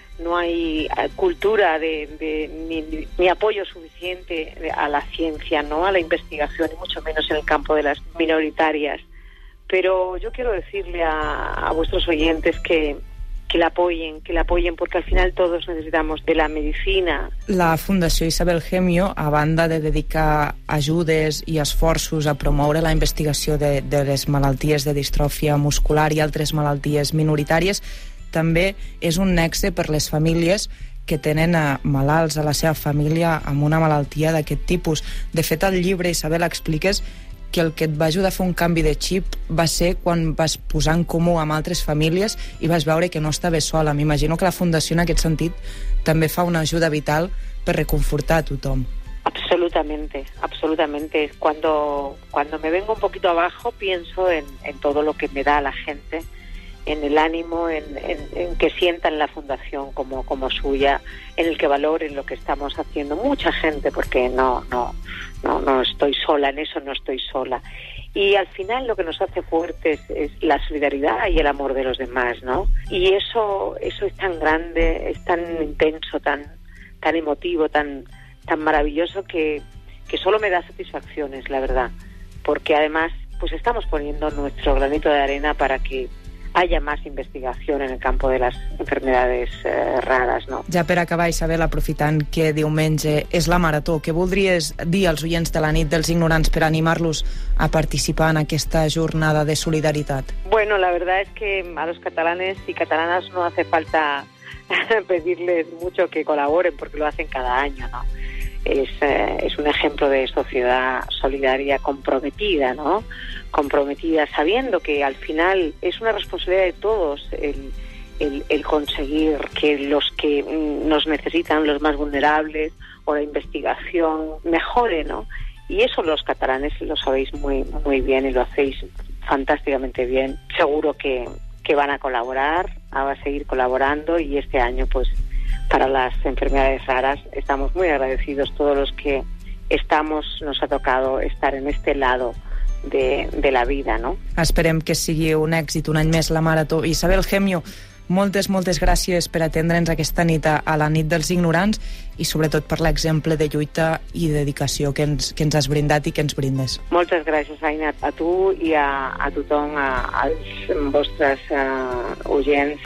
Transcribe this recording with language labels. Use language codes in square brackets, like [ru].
[es] No hay cultura ni apoyo suficiente a la ciencia, no a la investigación, y mucho menos en el campo de las minoritarias. Pero yo quiero decirle a vuestros oyentes que la apoyen, porque al final todos necesitamos de la medicina. [ca] La Fundació Isabel Gemio, a banda de dedicar ajudes i esforços a promoure la investigació de les malalties de distròfia muscular i altres malalties minoritàries, també és un nexe per les famílies que tenen malalts a la seva família amb una malaltia d'aquest tipus. De fet, el llibre, Isabel, expliques que el que et va ajudar a fer un canvi de xip va ser quan vas posar en comú amb altres famílies i vas veure que no estaves sola. M'imagino que la Fundació, en aquest sentit, també fa una ajuda vital per reconfortar a tothom. [es] Absolutamente. Cuando me vengo un poquito abajo, pienso en todo lo que me da la gente, en el ánimo, en que sientan la Fundación como suya, en el que valoren lo que estamos haciendo. Mucha gente, porque no estoy sola, en eso no estoy sola. Y al final lo que nos hace fuertes es la solidaridad y el amor de los demás, ¿no? Y eso es tan grande, es tan intenso, tan emotivo, tan maravilloso, que solo me da satisfacciones, la verdad. Porque además, pues estamos poniendo nuestro granito de arena para que haya más investigación en el campo de las enfermedades raras, ¿no? [ca] Ja per acabar, Isabel, aprofitant que diumenge és la marató, què voldries dir als oients de la Nit dels Ignorants per animar-los a participar en aquesta jornada de solidaritat? [es] Bueno, la verdad es que a los catalanes y catalanas no hace falta pedirles mucho que colaboren, porque lo hacen cada año, ¿no? Es un ejemplo de sociedad solidaria comprometida, ¿no? Comprometida sabiendo que al final es una responsabilidad de todos el conseguir que los que nos necesitan, los más vulnerables o la investigación, mejore, ¿no? Y eso los catalanes lo sabéis muy muy bien y lo hacéis fantásticamente bien. Seguro que van a colaborar, van a seguir colaborando, y este año pues para las enfermedades raras estamos muy agradecidos todos los que estamos, nos ha tocado estar en este lado de la vida, ¿no? [ca] Esperem que sigui un èxit un any més la marató. Isabel Gemio, moltes, moltes gràcies per atendre'ns aquesta nit a la Nit dels Ignorants, i sobretot per l'exemple de lluita i dedicació que ens has brindat i que ens brindes. Moltes gràcies, Aina, a tu i a tothom, als vostres oients.